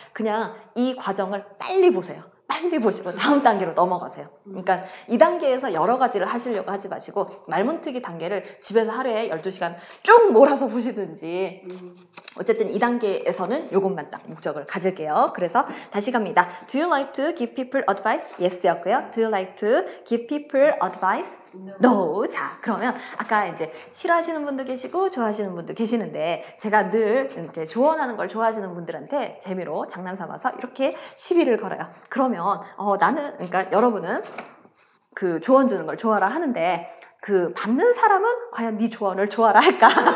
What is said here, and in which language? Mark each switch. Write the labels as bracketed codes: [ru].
[ko] 그냥 이 과정을 빨리 보세요. 빨리 보시고 다음 단계로 넘어가세요. 그러니까 이 단계에서 여러 가지를 하시려고 하지 마시고 말문트기 단계를 집에서 하루에 12시간 쭉 몰아서 보시든지 어쨌든 이 단계에서는 이것만 딱 목적을 가질게요. 그래서 다시 갑니다. [en] Do you like to give people advice? Yes였고요. Do you like to give people advice? No. [ko] 자, 그러면 아까 이제 싫어하시는 분도 계시고 좋아하시는 분도 계시는데 제가 늘 이렇게 조언하는 걸 좋아하시는 분들한테 재미로 장난 삼아서 이렇게 시비를 걸어요. 그러면 그러니까 여러분은 그 조언 주는 걸 좋아라 하는데 그 받는 사람은 과연 네 조언을 좋아라 할까?